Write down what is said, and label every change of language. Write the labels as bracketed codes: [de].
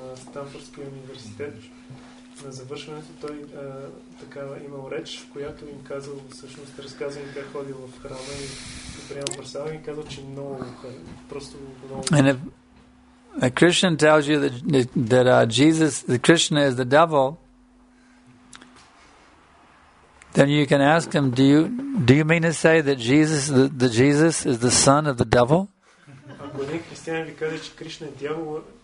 [bg] Стамфордския университет на завършването той такава имал реч, в която им казал всъщност, разказал им как ходил в храма и приемал парсала и казал, че много просто много. [en] And if a Christian tells you that Jesus, the Krishna is the devil, then you can ask him, do you mean to say that Jesus, the Jesus is the son of the devil? [bg] Ако един християнин ви каже, че Кришна е дявол,